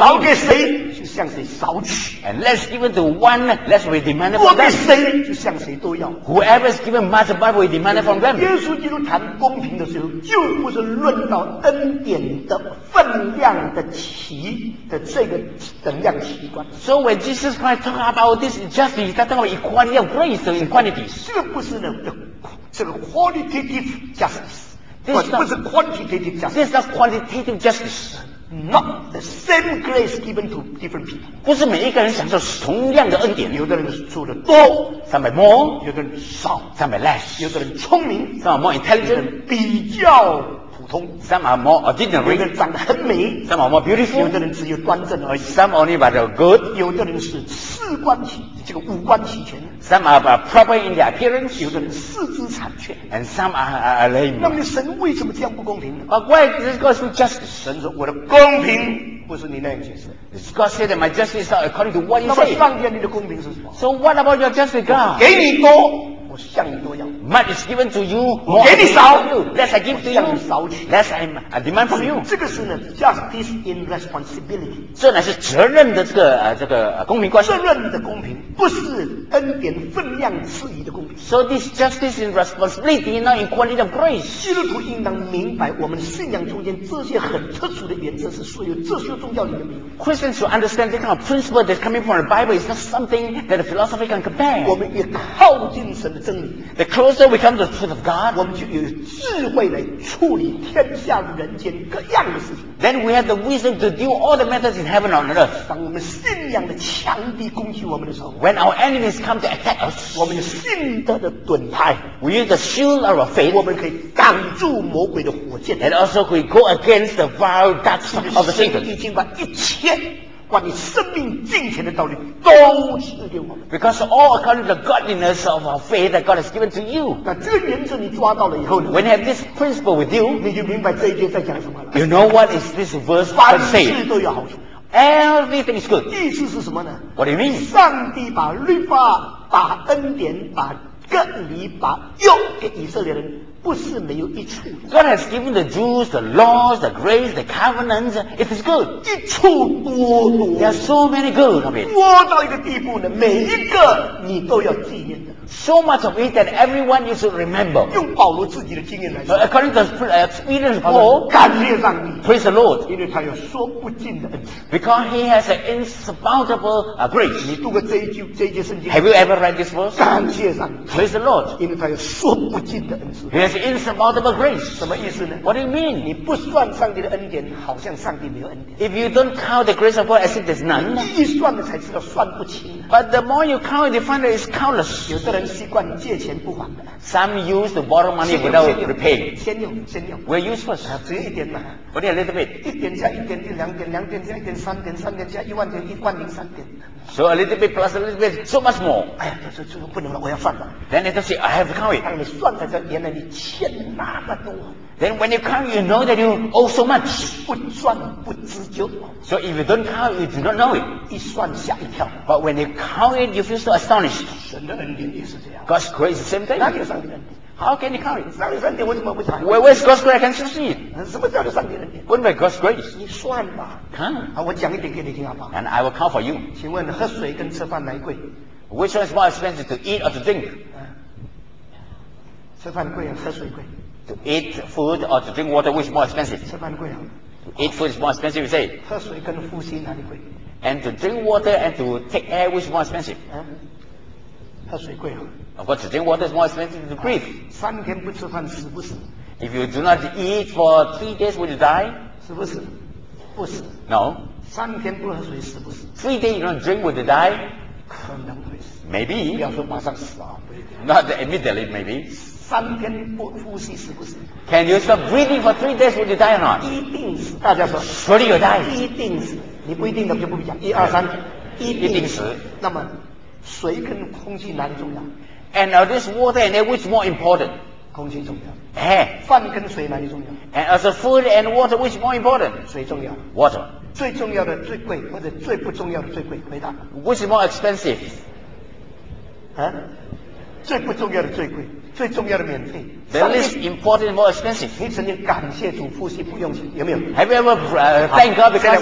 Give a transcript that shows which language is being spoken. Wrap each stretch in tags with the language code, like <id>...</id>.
<zh>少给谁，就向谁少取。</zh> <en>And less given to one, less will be demanded for them.</en> <zh>多给谁，就向谁多要。</zh> <en>Whoever is given much, more will be demanded from them.</en> <zh>耶稣基督谈公平的时候，就不是论到恩典的分量的齐的这个等量齐观。</zh> <en>So when Jesus Christ talk about this justice, he's talking about equality of grace and quantities.</en> <zh>这不是呢，这个</zh> <en>qualitative justice. This is not quantitative justice. Not the same grace given to different people.</en> <zh>不是每一个人享受同样的恩典。有的人做的多</zh> <en>，some are more.</en> <zh>有的人少</zh> <en>，some are less.</en> <zh>有的人聪明</zh> <en>，some are more intelligent.</en> <zh>比较普通</zh> <en>，some are more ordinary.</en> <zh>有的人长得很美</zh> <en>，some are more beautiful.</en> <zh>有的人只有端正而已</zh> <en>，some only but are good.</en> <zh>有的人是四观齐，这个五官齐全。</zh> <en>Some are proper in their appearance.</en> <zh>有的人四肢残缺。</zh> <en>And some are lame.</en> <zh>那么神为什么这样不公平呢？</zh> <en>But why does God do justice?</en> <zh>神说我的公平不是你那样解释。</zh> <en>God said that my justice is not according to what you say.</en> <zh>那么上帝你的公平是什么？</zh> <en>So what about your justice, God?</en> <zh>给你多，我向你多要。</zh> <en>Much is given to you, more.</en> <zh>给你少。</zh> <en>Less I give to</en> <zh>you. 少取。</zh> <en>Less I demand from you.</en> <zh>这个是呢</zh> <en>justice in responsibility.</en> <zh>这乃是责任的这个公平关系。责任的公平不是恩典分量赐予的公平。</zh> <en>So this justice in responsibility, not in quality of grace.</en> <zh>基督徒应当明白我们信仰中间这些很特殊的原则是属于这些宗教里面的。</zh> <en>Christians should understand this kind of principle that's coming from the Bible is not something that the philosophy can compare.</en> <zh>我们越靠近神的真理</zh> <en>the closer we come to the truth of God,</en> <zh>我们就有智慧来处理天下人间各样的事情。</zh> <en>Then we have the wisdom to deal all the matters in heaven on earth.</en> <zh>当我们信仰的强敌攻击我们的时候</zh> <en>when our enemies come to attack us,</en> <zh>我们有信德的盾牌</zh> <en>we use the shield of our faith,</en> <zh>我们可以挡住魔鬼的火箭</zh> <en>and also we go against the vile darts of the Satan.</en> <zh>已经把一切关于生命金钱的道理都赐给我们</zh> <en>because all according to the godliness of our faith that God has given to you</en> <zh>那这个原则你抓到了以后呢</zh> <en>when you have this principle with you</en> <zh>你就明白这一节在讲什么了</zh> <en>you know what is this verse going to say</en> <zh>凡事都有好处</zh> <en>everything is good</en> <zh>意思是什么呢</zh> <en>what do you mean</en> <zh>上帝把律法把恩典把割礼把又给以色列人不是没有益处</zh> <en>God has given the Jews the laws the grace the covenants it is good</en> <zh>益处多多</zh> <en>there are so many good of it</en> <zh>多到一个地步呢每一个你都要纪念的</zh> <en>so much of it that everyone you should remember</en> <zh>用保罗自己的经验来说</zh> <en>according to the experience of Paul</en> <zh>感谢上帝</zh> <en>praise the Lord</en> <zh>因为他有说不尽的恩赐</zh> <en>because he has an insurmountable grace</en> <zh>你读过这一句这一节圣经</zh> <en>have you ever read this verse</en> <zh>感谢上帝</zh> <en>praise the Lord</en> <zh>因为他有说不尽的恩赐</zh> <en>There's insurmountable grace.</en> <zh>什么意思呢</zh> <en>What do you mean?</en> <zh>你不算上帝的恩典，好像上帝没有恩典。</zh> <en>If you don't count the grace of God as if there's none.</en> <zh>你一算了才知道算不清。</zh> <en>But the more you count, you find that it's countless.</en> <zh>有的人习惯借钱不还的。</zh> <en>Some use to borrow money without repaying.</en> <zh>先用，先用。</zh> <en>We'll use first.</en> <zh>只有一点嘛。</zh> <en>Only a little bit.</en> <zh>一点加一点，一两点，两点加一点，三点，三点加一万点，一万零三点。</zh> <en>So a little bit plus a little bit, so much more.</en> <zh>哎呀，这不能了，我要算了。</zh> <en>Then they just say, I have to count it.</en> <zh>当你算了，才原来你欠那么多。</zh> <en>Then when you count, you know that you owe so much.</en> <zh>不算不知足。</zh> <en>So if you don't count, you do not know it.</en> <zh>一算吓一跳。</zh> <en>But when you count it, you feel so astonished.</en> <zh>神的恩典也是这样。</zh> <en>God's grace is the same thing.</en> <zh>哪有上帝的恩典？</zh> <en>How can you count it?</en> <zh>上帝恩典为什么不算</zh> <en>Where's God's grace? I can't succeed.</en> <zh>什么叫做上帝恩典</zh> <en>When was God's grace?</en> <zh>你算吧。</zh> <en>Huh?</en> <zh>我讲一点给你听好不好</zh> <en>And I will count for you.</en> <zh>请问喝水跟吃饭哪一贵</zh> <en>Which one is more expensive to eat or to drink?</en> <zh>吃饭贵啊喝水贵</zh> <en>To eat food or to drink water, which is more expensive?</en> <zh>吃饭贵啊</zh> <en>To eat food is more expensive, you say?</en> <zh>喝水跟呼吸哪里贵</zh> <en>And to drink water and to take air, which is more expensive?</en> <zh>喝水贵啊</zh> <en>Of course, drinking water is more expensive to breathe. 3 days</en> <zh>不吃饭死不死</zh> <en>If you do not eat for 3 days, will you die?</en> <zh>死不死？不死。</zh> <en>No. 3 days</en> <zh>不喝水死不死</zh> <en>3 days you don't drink, will you die?</en> <zh>可能会死。</zh> <en>Maybe.</en> <zh>不要说马上死啊，不一定。</zh> <en>Not immediately, maybe. 3 days</en> <zh>不呼吸死不死</zh> <en>Can you stop breathing for 3 days, will you die or not?</en> <zh>一定死，大家说。</zh> <en>Surely you die.</en> <zh>一定死，你不一定的就不必讲。一二三，一定死。那么，水跟空气哪里重要？</zh> <en>And are this water and air which is more important?</en> <zh>空气重要。哎。饭跟水哪里重要</zh> <en>？And as a food and water which is more important?</en> <zh>水重要。</zh> <en>Water.</en> <zh>最重要的最贵，或者最不重要的最贵，回答。</zh> <en>Which is more expensive? 啊？</en> <zh>最不重要的最贵，最重要的免费。</zh> <en>The least important more expensive.</en> <zh>你曾经感谢主呼吸不用钱，有没有</zh> <en>？Have you ever thank God because</en>